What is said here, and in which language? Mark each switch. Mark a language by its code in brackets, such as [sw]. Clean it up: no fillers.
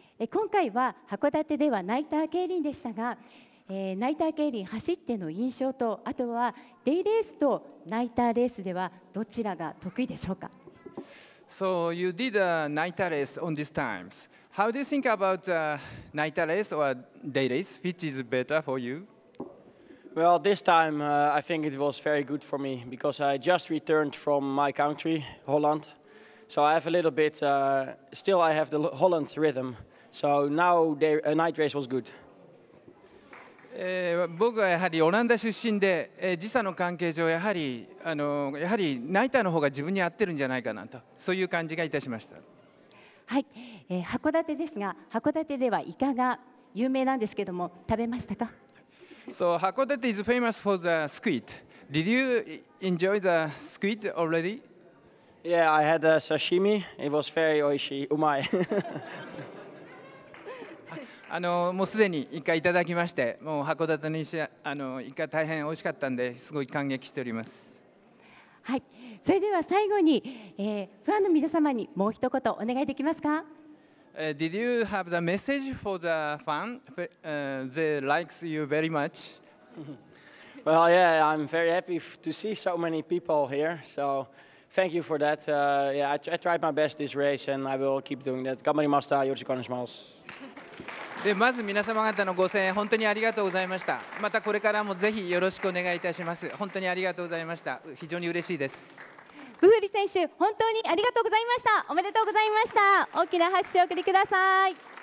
[ja] 今回は函館ではナイター競輪でしたが。ナイター競輪走っての印象と、あとはデイレースとナイターレースではどちらが得意でしょうか。 [en] So you did a night race on these times. How do you think about a night race or day race? Which is better for you? Well, this time I think it was very good for me because I just returned from my country, Holland. So I have a little bit, still I have the Holland rhythm. So now a night race was good. [ja] 僕はやはりオランダ出身で、時差の関係上やはりナイターの方が自分に合ってるんじゃないかなと、そういう感じがいたしました。はい、函館ですが、函館ではイカが有名なんですけども食べましたか。 [en] So 函館 is famous for the squid. Did you enjoy the squid already? Yeah, I had a sashimi. It was very [ja] oishii. Umai. もうすでにイカいただきまして、もう函館にイカ大変美味しかったんで、すごい感激しております。はい、それでは最後に、ファンの皆様にもう一言お願いできますか。 [en] Did you have the message for the fan? They likes you very much. Well, yeah, I'm very happy to see so many people here. So thank you for that. Yeah, I tried my best this race and I will keep doing that. [ja] 頑張りました。よろしくお願いします。でまず皆様方のご声援本当にありがとうございました。またこれからもぜひよろしくお願いいたします。本当にありがとうございました。非常に嬉しいです。ブフリ選手本当にありがとうございました。おめでとうございました。大きな拍手を送りください。